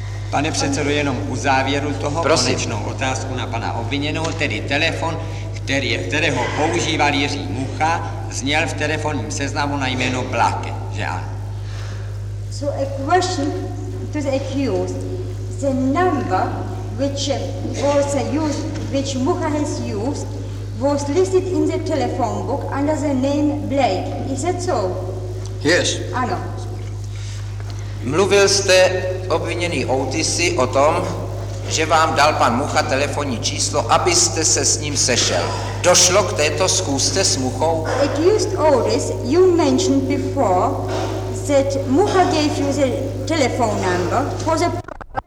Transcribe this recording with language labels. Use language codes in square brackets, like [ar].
[cs] Pane předsedo, jenom u závěru toho konečnou otázku na pana obviněného, tedy telefon, kterého používal Jiří Mucha, zněl v telefonním seznamu na jméno Black, že ano? [en] So a question to the accused. The number which was used, which Mucha has used, was listed in the telephone book under the name Blake. Is that so? Yes. [cs] Ano. Mluvil jste, obviněný Otisy, o tom, že vám dal pan Mucha telefonní číslo, abyste se s ním sešel. Došlo k této schůzce s Muchou? [en] Accused Otis, you mentioned before that Mucha gave you the telephone number for the